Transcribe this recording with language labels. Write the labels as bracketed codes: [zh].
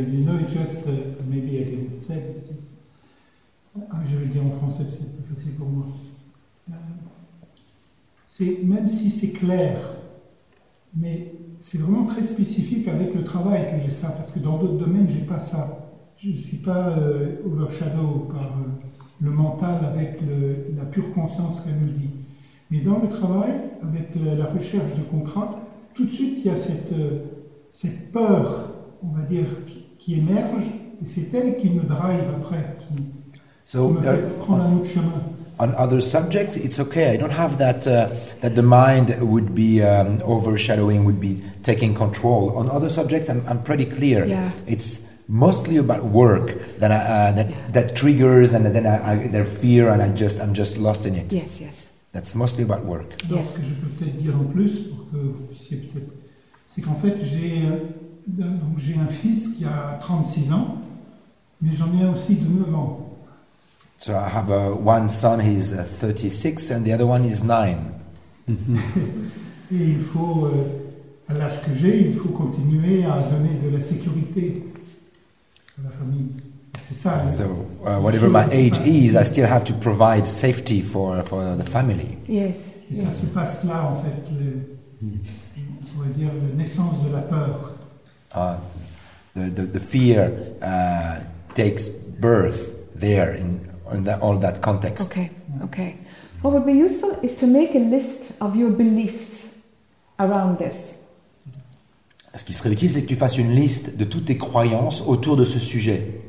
[en] You know, it's just maybe I can say this. [fr] Je vais dire en français, parce que c'est plus facile pour moi. C'est même si c'est clair, mais c'est vraiment très spécifique avec le travail que j'ai ça, parce que dans d'autres domaines, j'ai pas ça. Je suis pas overshadow par le mental avec la pure conscience qu'elle me dit. Mais dans le travail, avec la recherche de contrat, tout de suite, il y a cette peur, on va dire, qui émerge, et c'est elle qui me drive après, qui me fait prendre un autre chemin. [en] On other subjects, it's okay. I don't have that the mind would be overshadowing, would be taking control. On other subjects, I'm pretty clear. Yeah. It's mostly about work that triggers, and then their fear, and I'm just lost in it. Yes, yes. That's mostly about work. [fr] Donc, ce que je peux peut-être dire en plus, pour que vous puissiez peut-être, c'est qu'en fait, j'ai un fils qui a 36 ans, mais j'en ai aussi de 9 ans. [en] So I have one son, he's 36, and the other one is 9. [fr] Et il faut, à l'âge que j'ai, il faut continuer à donner de la sécurité à la famille. [en] So, whatever my age is, I still have to provide safety for the family. Yes. [fr] Et ça se passe là, en fait, on va dire, la naissance de la peur. [en] The fear takes birth there, in all that context. Okay. What would be useful is to make a list of your beliefs around this. [fr] Ce qui serait utile, c'est que tu fasses une liste de toutes tes croyances autour de ce sujet.